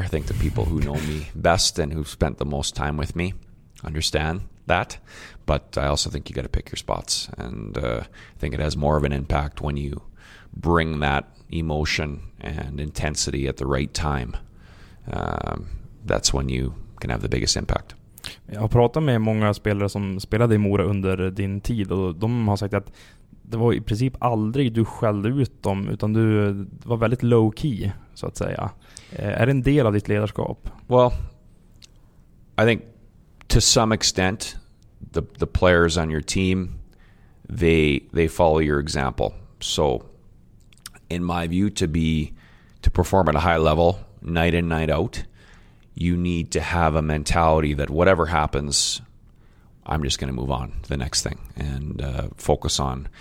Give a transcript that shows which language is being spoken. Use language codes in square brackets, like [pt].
[en] I think the people who know me best and who've spent the most time with me understand that. But I also think you got to pick your spots. And I think it has more of an impact when you bring that emotion and intensity at the right time. That's when you can have the biggest impact. [sv] Jag har pratat med många spelare som spelade i Mora under din tid, och de har sagt att det var i princip aldrig du skällde ut dem, utan du var väldigt low key, så att säga. Är det en del av ditt ledarskap? [en] Well, I think to some extent the players on your team, they follow your example. So in my view, to perform at a high level, night in, night out, you need to have a mentality that whatever happens, I'm just going to move on to the next thing and focus on.